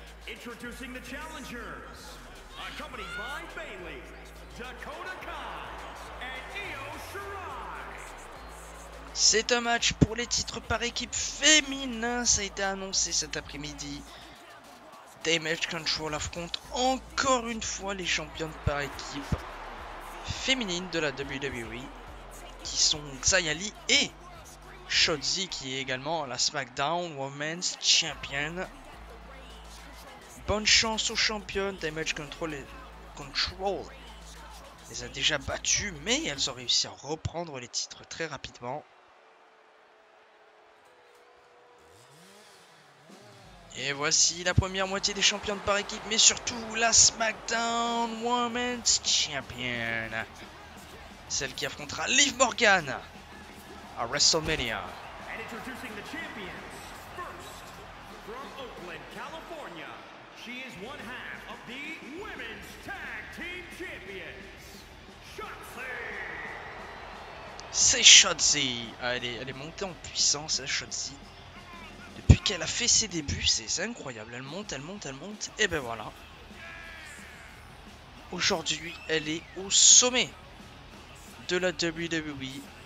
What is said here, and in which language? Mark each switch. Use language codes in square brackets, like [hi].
[en] Introducing the challengers, accompanied by Bayley, Dakota Kai, and Io Shirai. [fr] C'est un match pour les titres par équipe féminin, ça a été annoncé cet après-midi. Damage Control affronte encore une fois les championnes par équipe féminines de la WWE, qui sont Xia Li et Shotzi, qui est également la SmackDown Women's Champion. Bonne chance aux championnes. Damage Control et Control les a déjà battues, mais elles ont réussi à reprendre les titres très rapidement. Et voici la première moitié des championnes par équipe, mais surtout la SmackDown Women's Champion. Celle qui affrontera Liv Morgan à WrestleMania. [en] And introducing the champions, first from Oakland, California, she is one half of the Women's Tag Team Champions, Shotzi. [fr] C'est Shotzi. Elle est montée en puissance, Shotzi. Depuis qu'elle a fait ses débuts, c'est incroyable. Elle monte. Et ben voilà. Aujourd'hui, elle est au sommet de la WWE.